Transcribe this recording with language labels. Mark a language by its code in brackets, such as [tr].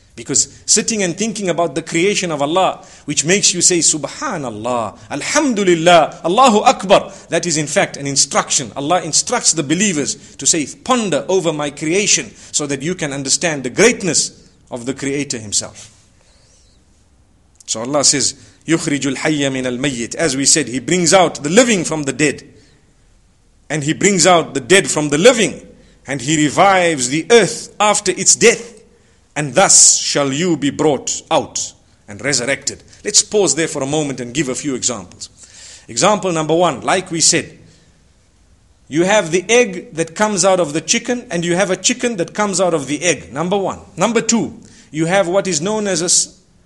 [en] Because sitting and thinking about the creation of Allah, which makes you say, Subhanallah, Alhamdulillah, Allahu Akbar, that is in fact an instruction. Allah instructs the believers to say, ponder over my creation, so that you can understand the greatness of the Creator Himself. [ar] So Allah says, يُخْرِجُ الْحَيَّ مِنَ الْمَيِّتِ. [en] As we said, He brings out the living from the dead. And He brings out the dead from the living. And He revives the earth after its death. And thus shall you be brought out and resurrected. Let's pause there for a moment and give a few examples. Example number one, like we said, you have the egg that comes out of the chicken and you have a chicken that comes out of the egg. Number one. Number two, you have what is known as